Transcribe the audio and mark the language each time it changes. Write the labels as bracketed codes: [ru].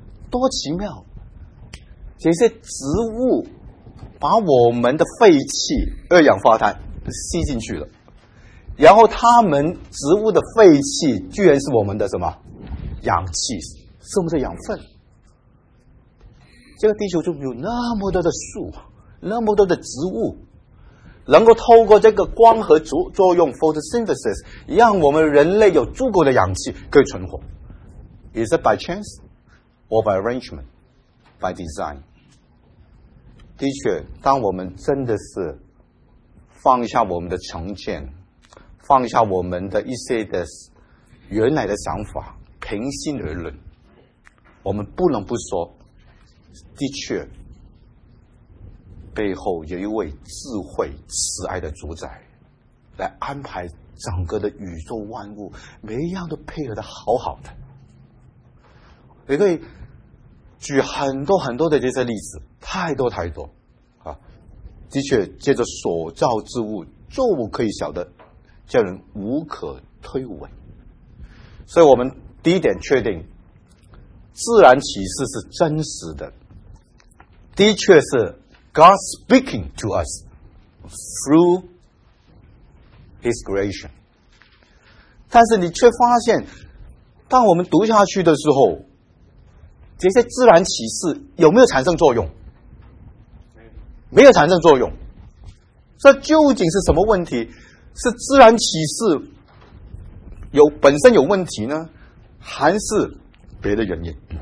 [zh] 多奇妙，这些植物把我们的废气二氧化碳吸进去了，然后他们植物的废气居然是我们的什么氧气，是我们的养分。这个地球中有那么多的树，那么多的植物，能够透过这个光合作用 photosynthesis 让我们人类有足够的氧气可以存活。 [en] Is it by chance or by arrangement by design？ [zh] 的确，当我们真的是放下我们的成见，放下我们的一些的原来的想法，平心而论，我们不能不说的确背后有一位智慧慈爱的主宰来安排整个的宇宙万物，每一样都配合得好好的。你可以举很多很多的这些例子，太多太多、啊、的确借着所造之物就可以晓得叫人无可推诿。所以我们第一点确定，自然启示是真实的，的确是 [en] God speaking to us through His creation。 [zh] 但是你却发现当我们读下去的时候，这些自然启示有没有产生作用？没有产生作用。这究竟是什么问题？是自然启示有本身有问题呢，还是别的原因？